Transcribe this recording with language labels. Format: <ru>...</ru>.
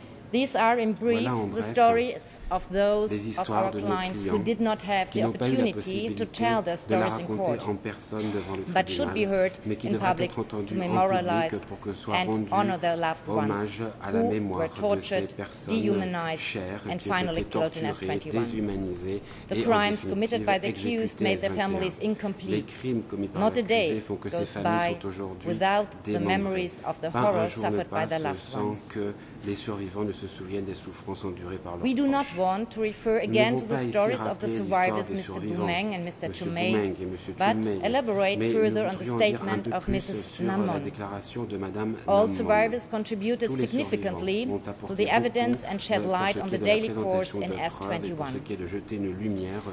<en>These are, in brief, the stories of those of our clients who did not have the opportunity to tell their stories in court, but should be heard in public to memorialize and honor their loved ones who were tortured, dehumanized, and finally killed in S21. The crimes committed by the accused made their families incomplete. Not a day goes by without the memories of the horrors suffered by their loved ones.</en> <fr>Les survivants ne se souviennent des souffrances endurées par leurs proches.</fr> <en>We do not want to refer again to the stories of the survivors, Mr. Dumeng and Mr. Chumei, but elaborate further on the statement of Mrs. Namon. All survivors contributed significantly to the evidence and shed light on the daily course in S21.</en>